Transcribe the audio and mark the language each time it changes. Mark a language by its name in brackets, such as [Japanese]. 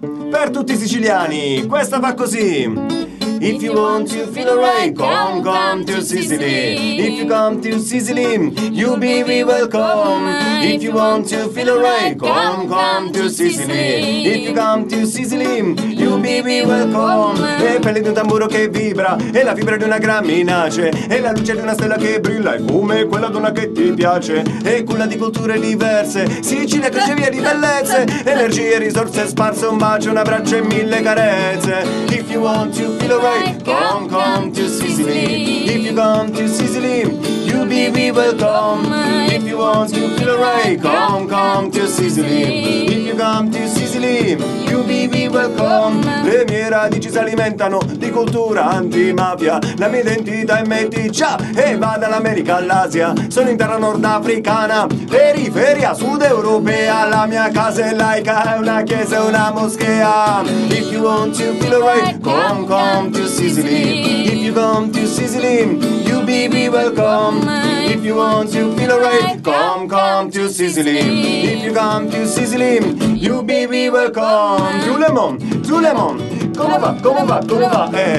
[Italian] Per tutti i siciliani, questa va così. [English] If you want to feel alright, come to Sicily. If you come to Sicily, you'll be very welcome. If you want to feel alright, come to Sicily. If you come to Sicily, you'll be very welcome. [Italian] E' pelle di un tamburo che vibra, e la fibra di una graminace, e la luce di una stella che brilla, e come quella donna che ti piace, e culla di culture diverse, Sicilia cresce via di bellezze, energie, risorse sparse, un bacio, un abbraccio e mille carezze. [English] If you want to feel come to Sicily. If you come to Sicily, you'll be very welcome. If you want to feel alright, come to Sicily. If you come to Sicily, you'll be very welcome. [Italian] Le mie radici si alimentano di cultura antimafia. La mia identità è meticcia e va dall'America all'Asia. Sono in terra nordafricana, periferia sud europea. La mia casa è laica, è una chiesa, è una moschea. [English] If you want to feel alright, come to Sicily. If you come to Sicily, you be very welcome. If you want to feel alright, come to Sicily. If you come to Sicily, you be very welcome. [Italian] Giulemon, Giulemon, come va, come va, come va?